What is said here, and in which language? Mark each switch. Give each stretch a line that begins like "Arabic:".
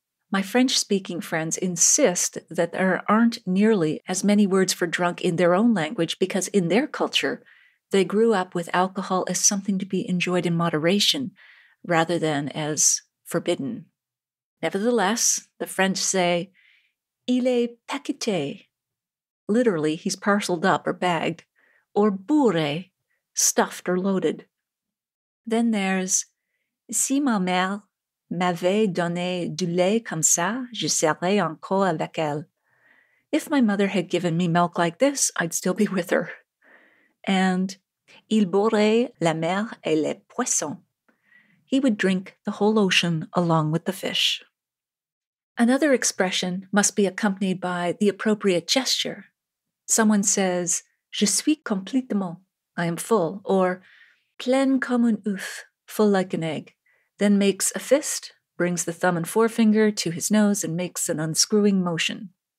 English: My French-speaking friends insist that there aren't nearly as many words for drunk in their own language because in their culture, they grew up with alcohol as something to be enjoyed in moderation rather than as forbidden. Nevertheless, the French say,
French: Il est paqueté.
English: Literally, he's parceled up or bagged. Or bourré, stuffed or loaded. Then there's
French: si ma mère m'avait donné du lait comme ça, je serais encore avec elle.
English: If my mother had given me milk like this, I'd still be with her. And
French: il boirait la mer et les poissons.
English: He would drink the whole ocean along with the fish. Another expression must be accompanied by the appropriate gesture. Someone says,
French: je suis complètement,
English: I am full, or
French: plein comme un œuf,
English: full like an egg, then makes a fist, brings the thumb and forefinger to his nose, and makes an unscrewing motion.